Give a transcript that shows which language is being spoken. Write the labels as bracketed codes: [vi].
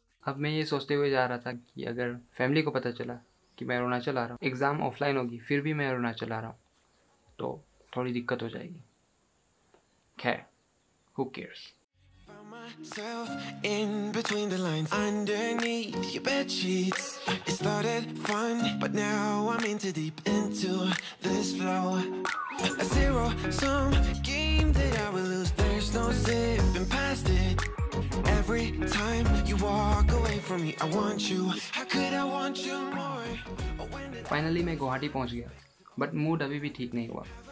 [hi] अब मैं ये सोचते हुए जा रहा था कि अगर फैमिली को पता चला कि मैं अरुणाचल आ रहा हूँ, एग्ज़ाम ऑफलाइन होगी फिर भी मैं अरुणाचल आ रहा हूँ, तो थोड़ी दिक्कत हो जाएगी। [en] खैर, who cares? Found myself in between the lines, underneath your bed sheets. It started fun, but now I'm into deep into this flow. A zero sum game that I will lose. There's no sipping past it. Every time you walk away from me, I want you. How could I want you more? [hi] Finally, मैं गुवाहाटी पहुंच गया, but mood अभी भी ठीक नहीं हुआ।